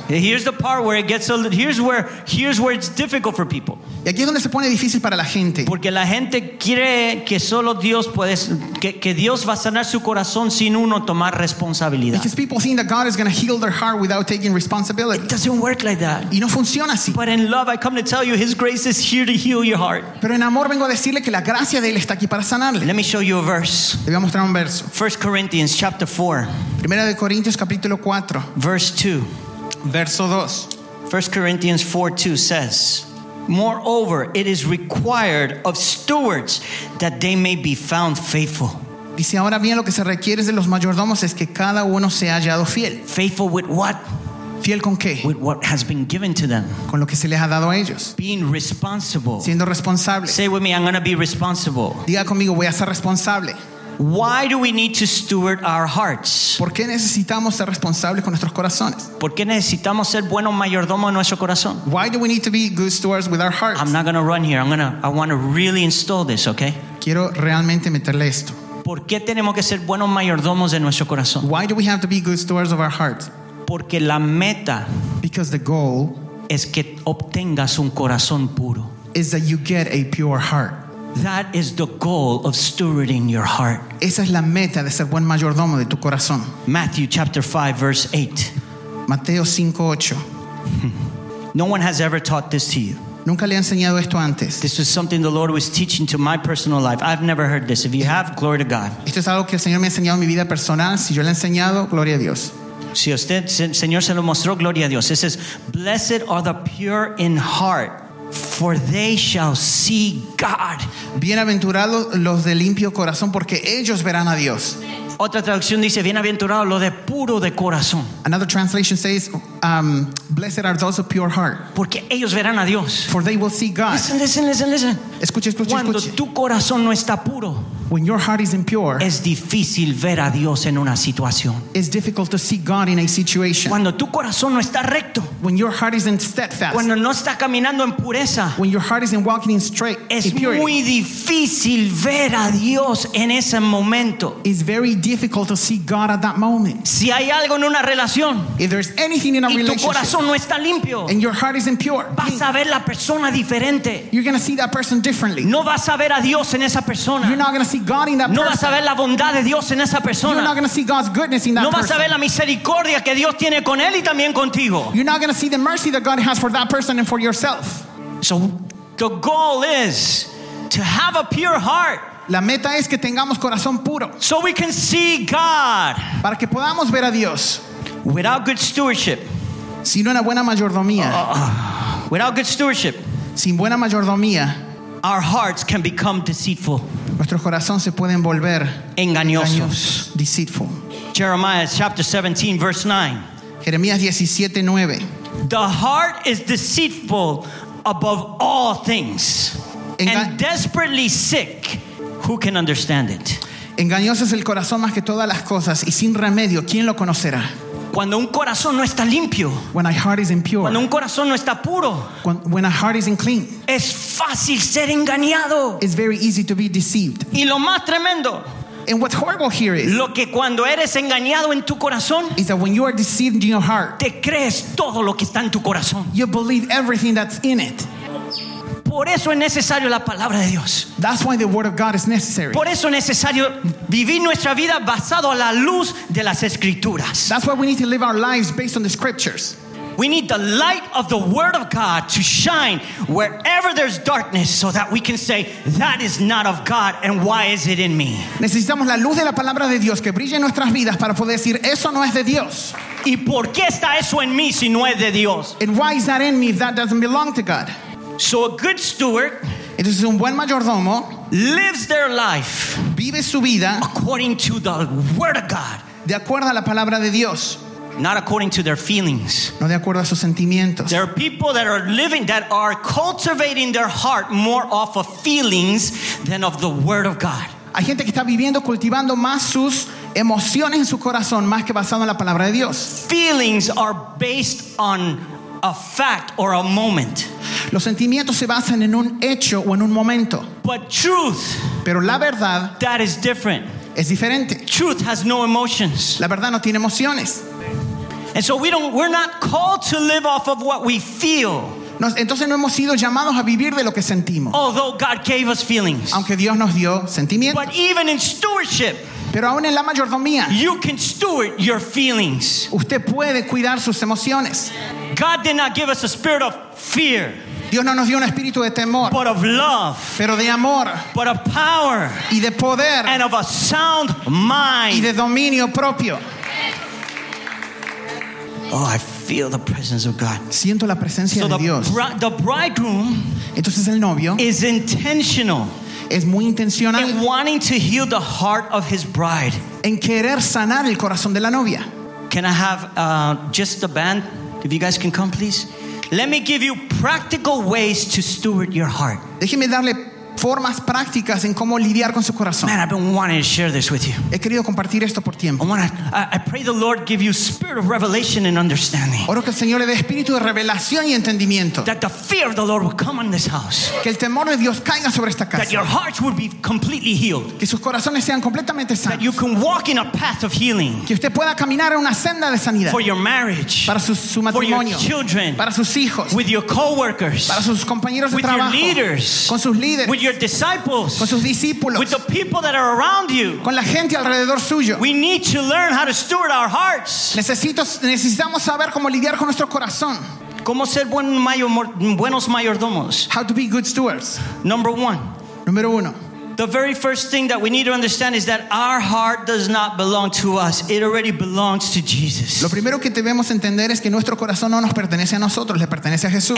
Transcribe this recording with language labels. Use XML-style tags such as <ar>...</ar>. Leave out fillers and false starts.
<en>Here's the part where it gets a little, here's where it's difficult for people.</en> <es>Y aquí es donde se pone difícil para la gente. Porque la gente cree que solo Dios puede, que Dios va a sanar su corazón sin uno tomar responsabilidad.</es> <en>Because people think that God is going to heal their heart without taking responsibility. It doesn't work like that.</en> <es>Y no funciona así.</es> <en>But in love, I come to tell you, His grace is here to heal your heart.</en> <es>Pero en amor vengo a decirle que la gracia de él está aquí para sanarle.</es> <en>Let me show you a verse.</en> <es>Le voy a mostrar un verso.</es> <en>1 Corinthians chapter 4.</en> <es>Primera de Corintios capítulo 4.</es> <en>Verse 2.</en> <es>Verso 2.</es> <en>1 Corinthians 4:2 says, moreover, it is required of stewards that they may be found faithful.</en> <es>Dice, ahora bien, lo que se requiere de los mayordomos es que cada uno sea hallado fiel.</es> <en>Faithful with what?</en> <es>Fiel con qué?</es> <en>With what has been given to them.</en> <es>Con lo que se les ha dado a ellos.</es> <en>Being responsible.</en> <es>Siendo responsable.</es> <en>Say with me, I'm going to be responsible.</en> <es>Diga conmigo, voy a ser responsable.</es> <en>Why do we need to steward our hearts?</en> <es>¿Por qué necesitamos ser responsables con nuestros corazones? ¿Por qué necesitamos ser buenos mayordomos en nuestro corazón?</es> <en>Why do we need to be good stewards with our hearts? I'm not going to run here. I want to really install this, okay?</en> <es>Quiero realmente meterle esto. ¿Por qué tenemos que ser buenos mayordomos de nuestro corazón?</es> <en>Why do we have to be good stewards of our hearts?</en> <es>Porque la meta,</es> <en>because the goal,</en> <es>es que obtengas un corazón puro.</es> <en>Is that you get a pure heart. That is the goal of stewarding your heart.</en> <es>Esa es la meta de ser buen mayordomo de tu corazón.</es> <en>Matthew chapter 5 verse 8.</en> <es>Mateo 5:8.</es> <en>No one has ever taught this to you.</en> <es>Nunca le he enseñado esto antes.</es> <en>This is something the Lord was teaching to my personal life. I've never heard this. If you have, glory to God.</en> <es>Esto es algo que el Señor me ha enseñado en mi vida personal. Si yo le he enseñado, gloria a Dios. Si usted, Señor se lo mostró, gloria a Dios.</es> <en>It says, blessed are the pure in heart, for they shall see God.</en> <es>Bienaventurados los de limpio corazón, porque ellos verán a Dios. Otra traducción dice, bienaventurados los de puro de corazón.</es> <en>Another translation says, blessed are those of pure heart.</en> <es>Porque ellos verán a Dios.</es> <en>For they will see God. Listen.</en> <es>Escuche. Cuando tu corazón no está puro,</es> <en>when your heart is impure,</en> <es>es difícil ver a Dios en una situación.</es> <en>It's difficult to see God in a situation.</en> <es>Cuando tu corazón no está recto,</es> <en>when your heart isn't steadfast,</en> <es>cuando no está caminando en pureza,</es> <en>when your heart isn't walking in straight,</en> <es>es</es> <en>in purity,</en> <es>muy difícil ver a Dios en ese momento.</es> <en>It's very difficult to see God at that moment.</en> <es>Si hay algo en una relación,</es> <en>if there's anything in a</en> <es>y</es> <en>relationship,</en> <es>tu corazón no está limpio,</es> <en>and your heart isn't pure,</en> <es>vas a ver la persona diferente.</es> <en>You're going to see that person differently.</en> <es>No vas a ver a Dios en esa persona.</es> <en>You're not going to see God in that person.</en> <es>No vas a ver la bondad de Dios en esa persona.</es> <en>You're not going to see God's goodness in that</en> <es>no</es> <en>person.</en> <es>No vas a ver la misericordia que Dios tiene con él y también contigo.</es> <en>You're not going to see the mercy that God has for that person and for yourself. So the goal is to have a pure heart.</en> <es>La meta es que tengamos corazón puro.</es> <en>So we can see God.</en> <es>Para que podamos ver a Dios.</es> <en>Without good stewardship.</en> <es>Sin una buena mayordomía.</es> <en>Without good stewardship.</en> <es>Sin buena mayordomía.</es> <en>Our hearts can become deceitful.</en> <es>Nuestro corazón se puede volver engañosos.</es> <en>Deceitful. Jeremiah chapter 17, verse 9.</en> <es>Jeremías 17:9.</es> <en>The heart is deceitful above all things, and desperately sick. Who can understand it?</en> <es>Engañoso es el corazón más que todas las cosas, y sin remedio, ¿quién lo conocerá? Cuando un corazón no está limpio.</es> <en>When a heart is impure.</en> <es>Cuando un corazón no está puro.</es> <en>When a heart is unclean.</en> <es>Es fácil ser engañado.</es> <en>It's very easy to be deceived.</en> <es>Y lo más tremendo.</es> <en>And what's horrible here is.</en> <es>Lo que cuando eres engañado en tu corazón.</es> <en>Is that when you are deceived in your heart.</en> <es>Te crees todo lo que está en tu corazón.</es> <en>You believe everything that's in it.</en> <es>Por eso es necesario la palabra de Dios.</es> <en>That's why the word of God is necessary.</en> <es>Por eso es necesario vivir nuestra vida basado a la luz de las escrituras.</es> <en>That's why we need to live our lives based on the scriptures. We need the light of the word of God to shine wherever there's darkness so that we can say that is not of God and why is it in me?</en> <es>Necesitamos la luz de la palabra de Dios que brille en nuestras vidas para poder decir eso no es de Dios. ¿Y por qué está eso en mí si no es de Dios?</es> <en>And why is that in me if that doesn't belong to God? So a good steward, it is</en> <es>un buen mayordomo,</es> <en>lives their life,</en> <es>vive su vida,</es> <en>according to the word of God,</en> <es>de acuerdo a la palabra de Dios,</es> <en>not according to their feelings,</en> <es>no de acuerdo a sus sentimientos.</es> <en>There are people that are living, that are cultivating their heart more off of feelings than of the word of God.</en> <es>Hay gente que está viviendo, cultivando más sus emociones en su corazón más que basado en la palabra de Dios.</es> <en>Feelings are based on a fact or a moment.</en> <es>Los sentimientos se basan en un hecho o en un momento.</es> <en>But truth,</en> <es>pero la verdad,</es> <en>that is different.</en> <es>Es diferente.</es> <en>Truth has no emotions.</en> <es>La verdad no tiene emociones.</es> <en>And so we're not called to live off of what we feel.</en> <es>Entonces no hemos sido llamados a vivir de lo que sentimos.</es> <en>Although God gave us feelings.</en> <es>Aunque Dios nos dio sentimientos.</es> <en>But even in stewardship,</en> <es>pero aún en la mayordomía,</es> <en>you can steward your feelings.</en> <es>Usted puede cuidar sus emociones.</es> <en>God did not give us a spirit of fear.</en> <es>Dios no nos dio un espíritu de temor,</es> <en>but of love.</en> <es>Pero de amor,</es> <en>but of power.</en> <es>Y de poder,</es> <en>and of a sound mind.</en> <es>Y de dominio propio.</es> <en>Oh, I feel the presence of God.</en> <es>Siento la presencia</es> <en>so</en> <es>de Dios.</es> <en>The bridegroom,</en> <es>entonces el novio,</es> <en>is intentional.</en> <es>Es muy intencional.</es> <en>In wanting to heal the heart of his bride.</en> <es>En querer sanar el corazón de la novia.</es> <en>Can I have just the band? If you guys can come, please. Let me give you practical ways to steward your heart.</en> <es>Déjeme darle formas prácticas en cómo lidiar con su corazón.</es> <en>Man, I've been wanting to share this with you.</en> <es>He querido compartir esto por tiempo.</es> <en>I pray the Lord give you spirit of revelation and understanding.</en> <es>Oro que el Señor le dé espíritu de revelación y entendimiento.</es> <en>That the fear of the Lord would come on this house.</en> <es>Que el temor de Dios caiga sobre esta casa.</es> <en>That your hearts would be completely healed.</en> <es>Que sus corazones sean completamente sanos.</es> <en>That you can walk in a path of healing.</en> <es>Que usted pueda caminar en una senda de sanidad.</es> <en>For your marriage.</en> <es>Para su matrimonio.</es> <en>For your children.</en> <es>Para sus hijos.</es> <en>With your coworkers.</en> <es>Para sus compañeros de</es> <en>with</en> <es>trabajo.</es> <en>With your leaders.</en> <es>Con sus líderes.</es> <en>With your disciples,</en> <es>con sus discípulos,</es> <en>with the people that are around you,</en> <es>con la gente alrededor suyo.</es> <en>We need to learn how to steward our hearts.</en> <es>Necesitamos saber cómo lidiar con nuestro corazón. Cómo ser buenos mayordomos.</es> <en>How to be good stewards. Number one.</en> <es>Número uno.</es> <en>The very first thing that we need to understand is that our heart does not belong to us. It already belongs to Jesus.</en> <es>Lo primero que debemos entender es que nuestro corazón no nos pertenece a nosotros, le pertenece a Jesús.</es>